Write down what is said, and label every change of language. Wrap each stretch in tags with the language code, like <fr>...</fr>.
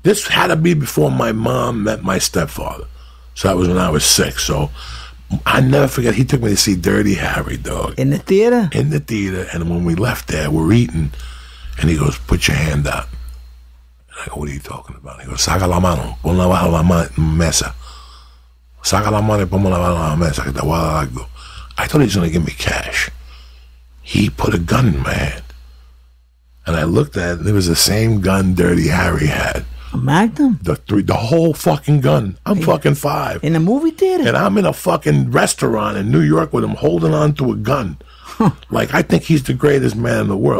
<en>This had to be before my mom met my stepfather. So that was when I was 6. So I never forget, he took me to see Dirty Harry, dog. In the theater? In the theater. And when we left there, we're eating. And he goes, put your hand up. And I go, what are you talking about?</en> <es>He goes, saca la mano, pon la bajo la mesa. Saca la mano y pon la bajo la mesa, que te voy a dar algo.</es> <en>I thought he was going to give me cash. He put a gun in my hand. And I looked at it, and it was the same gun Dirty Harry had. A Magnum? The whole fucking gun. I'm fucking 5. In a movie theater? And I'm in a fucking restaurant in New York with him holding on to a gun. Like, I think he's the greatest man in the world.</en>